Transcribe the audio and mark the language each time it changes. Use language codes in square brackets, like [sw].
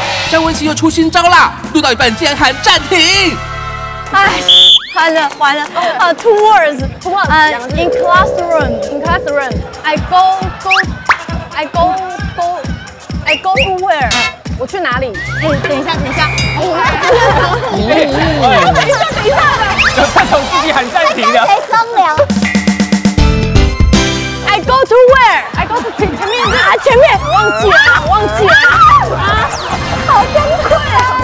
[zh] 张文熙又出新招啦，录到一半竟然喊暂停。哎，完了完了。 [en] Two words, two words. In classroom, in classroom, I go to where? [zh] 我去哪里？哎，等一下，等一下，等一下，要再从自己喊暂停的。谁商量 [en] ？I go to where? I go to [zh] 前面啊，前面忘记了，忘记了啊，好崩溃啊！